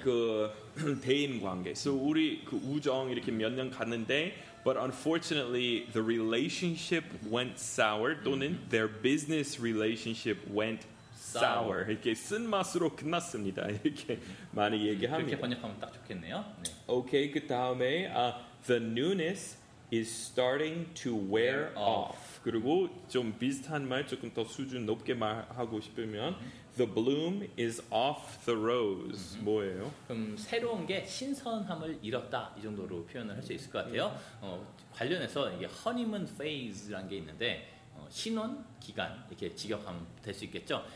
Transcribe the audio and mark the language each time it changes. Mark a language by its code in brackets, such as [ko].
[ko] 그 대인 관계. [en] So [ko] 우리 그 우정 이렇게 몇 년 갔는데, [en] but unfortunately the relationship went sour 또는 their business relationship went sour. [ko] 이렇게 쓴 맛으로 끝났습니다. 이렇게 많이 얘기합니다. 이렇게 번역하면 딱 좋겠네요. 네. [en] Okay, [ko] 그 다음에 [en] the newness is starting to wear off. [ko] 그리고 좀 비슷한 말 조금 더 수준 높게 말하고 싶으면. [en] The bloom is off the rose. [ko] 뭐예요? 그럼 새로운 게 신선함을 잃었다 이 정도로 표현을 할 수 있을 것 같아요. 관련해서 이게 honeymoon phase라는 게 있는데 신혼 기간 이렇게 직역하면 될 수 있겠죠.